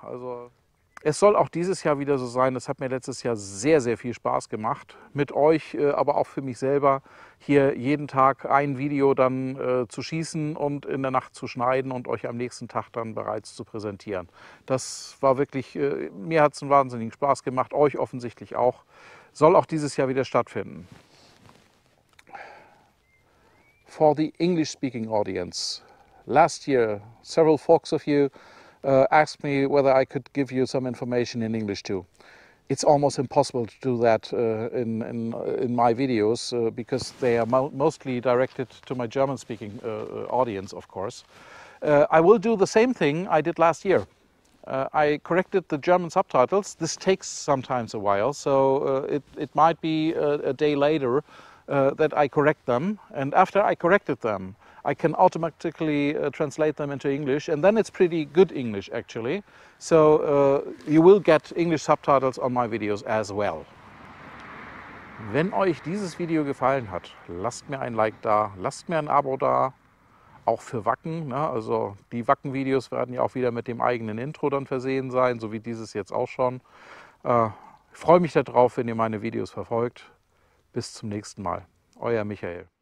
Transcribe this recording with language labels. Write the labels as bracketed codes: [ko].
[de] Also es soll auch dieses Jahr wieder so sein, das hat mir letztes Jahr sehr, sehr viel Spaß gemacht, mit euch, aber auch für mich selber, hier jeden Tag ein Video dann zu schießen und in der Nacht zu schneiden und euch am nächsten Tag dann bereits zu präsentieren. Das war wirklich, mir hat es einen wahnsinnigen Spaß gemacht, euch offensichtlich auch. Soll auch dieses Jahr wieder stattfinden. [en] For the English-speaking audience, last year, several folks of you asked me whether I could give you some information in English too. It's almost impossible to do that in my videos because they are mostly directed to my German-speaking audience, of course. I will do the same thing I did last year. I corrected the German subtitles. This takes sometimes a while, so it might be a day later that I correct them. And after I corrected them, I can automatically translate them into English, and then it's pretty good English, actually. So you will get English subtitles on my videos as well. [de] Wenn euch dieses Video gefallen hat, lasst mir ein Like da, lasst mir ein Abo da, auch für Wacken. Ne? Also die Wacken-Videos werden ja auch wieder mit dem eigenen Intro dann versehen sein, so wie dieses jetzt auch schon. Ich freue mich darauf, wenn ihr meine Videos verfolgt. Bis zum nächsten Mal. Euer Michael.